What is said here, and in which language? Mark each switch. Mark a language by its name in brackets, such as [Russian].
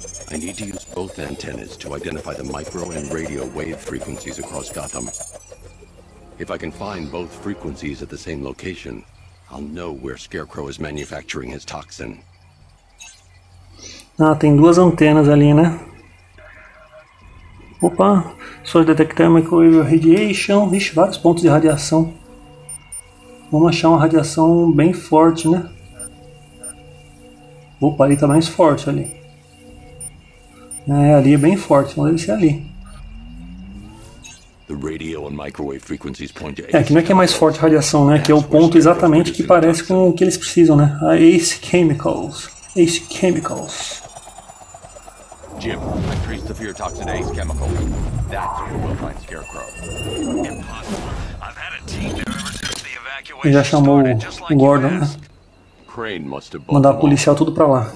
[English] I need to use both antennas to identify the micro and radio wave frequencies across Gotham. If I can find both frequencies at the same location, I'll know where Scarecrow is manufacturing his toxin. [Portuguese] Ah, tem duas antenas ali, né? Opa, só detectar [English] microwave radiation. [Portuguese] Vixe, vários pontos de radiação. Vamos achar uma radiação bem forte, né? Opa, ali tá mais forte ali. É, ali é bem forte, mas deve ser ali. [English] The radio and microwave frequencies point to [Portuguese] é, que não é que é mais forte a radiação, né? Que é o ponto exatamente que parece com o que eles precisam, né? A Ace Chemicals. Ace Chemicals. [English] Jim, I traced the fear toxin Ace Chemical. That's where we'll find Scarecrow. Impossible. I've had a team there ever since the evacuation. [Portuguese] Ele já chamou o Gordon, né? [English] Crane must have [Portuguese] mandar a policial tudo pra lá.